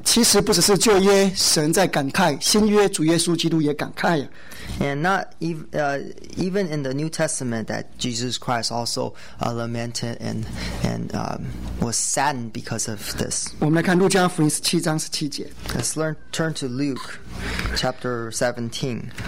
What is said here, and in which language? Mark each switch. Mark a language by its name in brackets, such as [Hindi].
[Chinese] 其实不只是旧约神在感慨，新约主耶稣基督也感慨。 [English] And not even in the New Testament that Jesus Christ also lamented and was saddened because of this. [Chinese] 我们来看路加福音17章17节。 [English] Let's turn to Luke chapter 17.